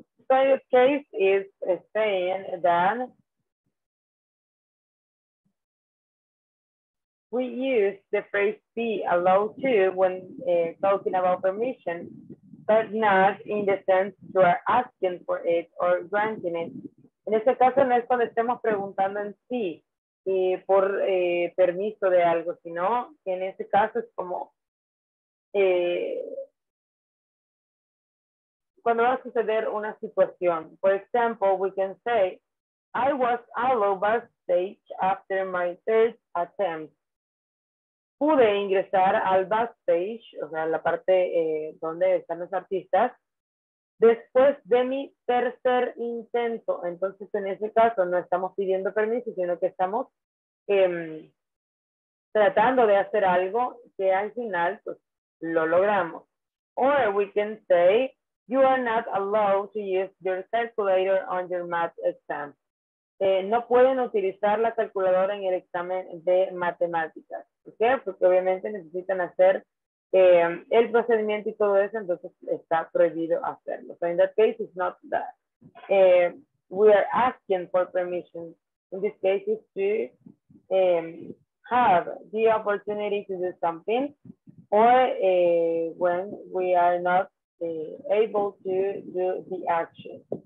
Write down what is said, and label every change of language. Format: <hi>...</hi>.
<en>So in this case is saying that we use the phrase be allowed to when talking about permission, but not in the sense you are asking for it or granting it.</en> <es>En este caso no es cuando estemos preguntando en sí por permiso de algo, sino que en este caso es como cuando va a suceder una situación.</es> <en>For example, we can say, I was allowed backstage after my third attempt.</en> <es>Pude ingresar al backstage, o sea, la parte donde están los artistas, después de mi tercer intento. Entonces, en ese caso, no estamos pidiendo permiso, sino que estamos tratando de hacer algo que al final pues, lo logramos.</es> <en>Or we can say, you are not allowed to use your calculator on your math exam.</en> <es>No pueden utilizar la calculadora en el examen de matemáticas. ¿Por qué? Porque obviamente necesitan hacer el procedimiento y todo eso, entonces está prohibido hacerlo.</es> <en>So in that case, it's not that. We are asking for permission. In this case, it's to have the opportunity to do something, or when we are not able to do the action.</en>